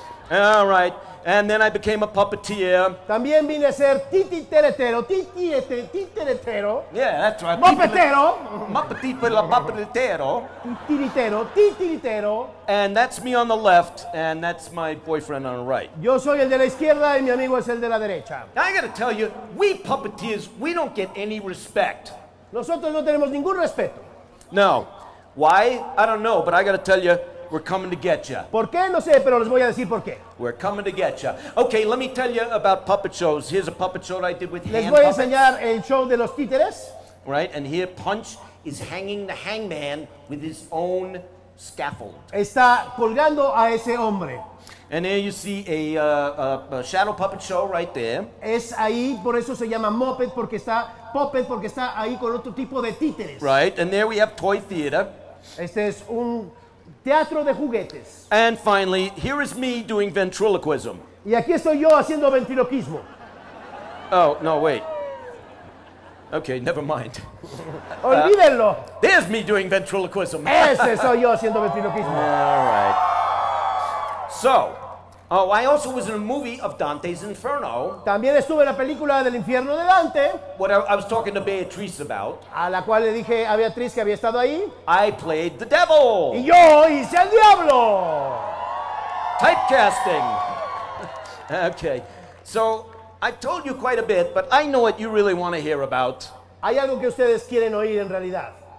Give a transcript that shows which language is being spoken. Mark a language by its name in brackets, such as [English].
[English] All right, and then I became a puppeteer. [Spanish] También vine a ser titiriterero, titiriterero. [English] Yeah, that's right. [Spanish] Muppetero. Muppetipelapapetero. Titiritero, titiritero. [English] And that's me on the left, and that's my boyfriend on the right. [Spanish] Yo soy el de la izquierda y mi amigo es el de la derecha. [English] I gotta tell you, we puppeteers, we don't get any respect. [Spanish] Nosotros no tenemos ningún respeto. [English] No. Why? I don't know, but I gotta tell you, we're coming to get you. [Spanish] ¿Por qué? No sé, pero les voy a decir por qué. [English] We're coming to get you. Okay, let me tell you about puppet shows. Here's a puppet show that I did with [Spanish] les [English] hand [Spanish] voy [English] puppets. [Spanish] A enseñar el show de los títeres. [English] Right, and here Punch is hanging the hangman with his own scaffold. [Spanish] Está colgando a ese hombre. [English] And there you see a shadow puppet show right there. [Spanish] Es ahí, por eso se llama puppet porque está ahí con otro tipo de títeres. [English] Right, and there we have toy theater. [Spanish] Este es un Teatro de juguetes. [English] And finally, here is me doing ventriloquism. [Spanish] Y aquí estoy yo haciendo ventriloquismo. [English] Oh, no, wait. Okay, never mind. [Spanish] Olvídenlo. [English] There's me doing ventriloquism. [Spanish] Ese soy yo haciendo ventriloquismo. [English] All right. So, I also was in a movie of Dante's Inferno. [Spanish] También estuve en la película del infierno de Dante. [English] What I was talking to Beatrice about. [Spanish] A la cual le dije a Beatrice que había estado ahí. [English] I played the devil. [Spanish] Y yo hice el diablo. [English] Typecasting. Okay, so I've told you quite a bit, but I know what you really want to hear about. [Spanish] Hay algo que ustedes quieren oír en realidad.